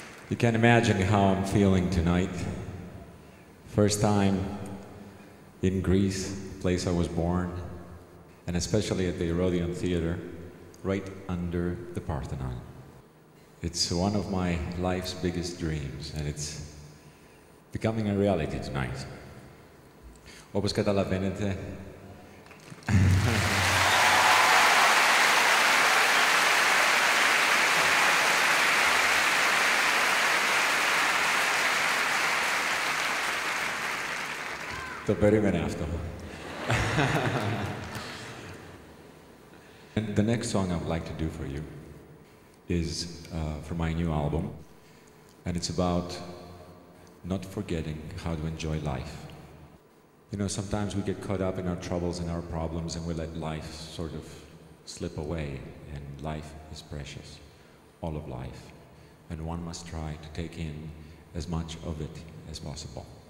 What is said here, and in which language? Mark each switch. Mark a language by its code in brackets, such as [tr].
[en] You can imagine how I'm feeling tonight. First time in Greece, the place I was born, and especially at the Herodian Theater, right under the Parthenon. It's one of my life's biggest dreams, and it's becoming a reality tonight. [el] Όπως καταλαβαίνετε, το περίμενε αυτό. [en] And the next song I would like to do for you is for my new album, and it's about not forgetting how to enjoy life. You know, sometimes we get caught up in our troubles and our problems, and we let life sort of slip away, and life is precious, all of life, and one must try to take in as much of it as possible.